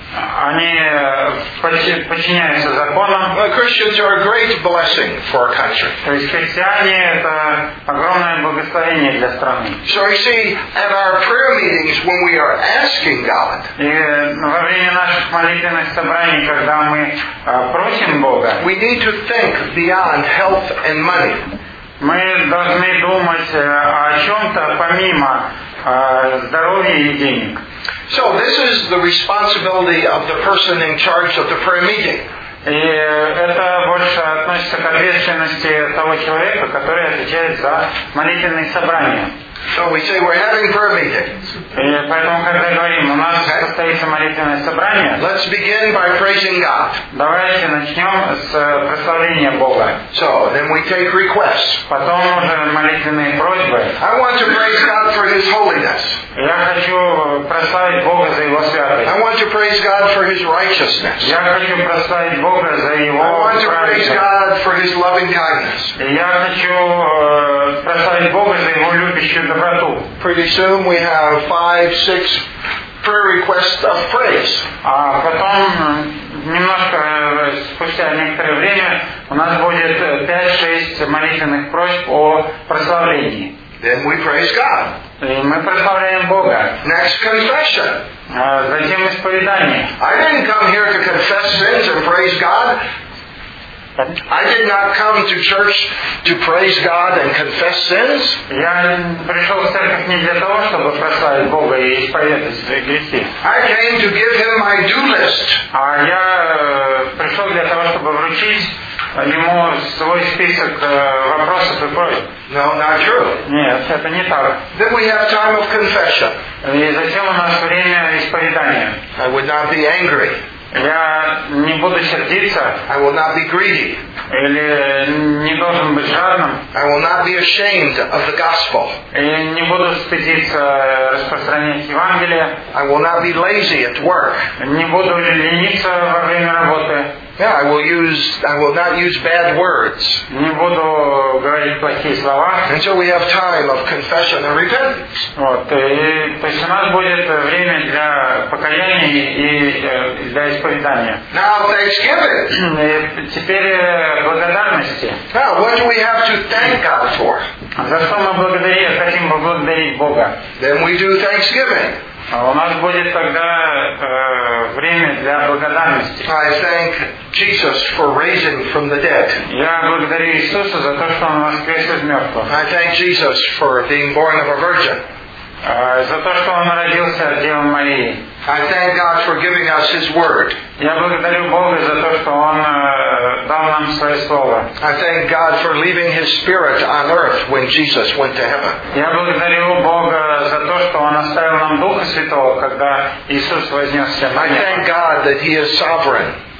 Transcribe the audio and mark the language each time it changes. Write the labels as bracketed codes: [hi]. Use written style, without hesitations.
[ru] Они подчиняются законам. [en] Christians are a great blessing for our country. [ru] То есть христиане это огромное благословение для страны. [en] So you see, at our prayer meetings, when we are asking God, [ru] и во время наших молитвенных собраний, когда мы просим Бога, [en] we need to think beyond health and money. [ru] Мы должны думать о чем-то помимо здоровья и денег. [en] So this is the responsibility of the person in charge of the prayer meeting. [ru] И это больше относится к ответственности того человека, который отвечает за молитвенные собрания. [en] So we say we're having prayer meetings. [ru] И поэтому, когда говорим, у нас состоится молитвенное собрание. [en] Let's begin by praising God. [ru] Давайте начнем с прославления Бога. [en] So then we take requests. [ru] Потом уже молитвенные просьбы. [en] I want to praise God for His holiness. [ru] Я хочу прославить Бога за Его святость. [en] I want to praise God for His righteousness. [ru] Я хочу прославить Бога за Его праведность. [en] I want to praise God for His loving kindness. [ru] Я хочу прославить Бога за Его любящую. [en] Pretty soon we have 5-6 prayer requests of praise. [ru] А потом немножко спустя некоторое время у нас будет 5-6 молитвенных просьб о прославлении. [en] Then we praise God. [ru] И мы прославляем Бога. [en] Next confession. [ru] Затем исповедание. [en] I didn't come here to confess sins and praise God. I did not come to church to praise God and confess sins. [ru] Я пришел в церковь не для того, чтобы прославить Бога и исповедовать свои грехи. [en] I came to give Him my do list. [ru] А я пришел для того, чтобы вручить ему свой список вопросов и просьб. [en] No, not true. [ru] Нет, это не так. [en] Then we have time of confession. [ru] И затем у нас время исповедания. [en] I would not be angry. [ru] Я не буду сердиться. [en] I will not be greedy. [ru] Или не должен быть жадным. [en] I will not be ashamed of the gospel. [ru] И не буду стыдиться распространять Евангелие. [en] I will not be lazy at work. [ru] Не буду лениться во время работы. [en] Yeah, I will not use bad words. [ru] Не буду говорить плохие слова. [en] And so we have time of confession and repentance. [ru] Вот, и, то есть у нас будет время для покаяния и для исповедания. [en] Now thanksgiving. [ru] Теперь благодарности. [en] Now what do we have to thank God for? [ru] За что мы благодарим? Хотим поблагодарить Бога. [en] Then we do thanksgiving. [ru] У нас будет тогда время для благодарности. [en] I thank Jesus for raising from the dead. [ru] Я благодарю Иисуса за то, что Он воскрес из мертвых. [en] I thank Jesus for being born of a virgin. [ru] За то, что Он родился от Девы Марии. [en] I thank God for giving us His word. [ru] Я благодарю Бога за то, что Он дал нам Свое Слово. [en] I thank God for leaving His Spirit on earth when Jesus went to heaven. [ru] Я благодарю Бога за то, что Он оставил нам Духа Святого, когда Иисус вознесся на небо. [en] I thank God that He is sovereign.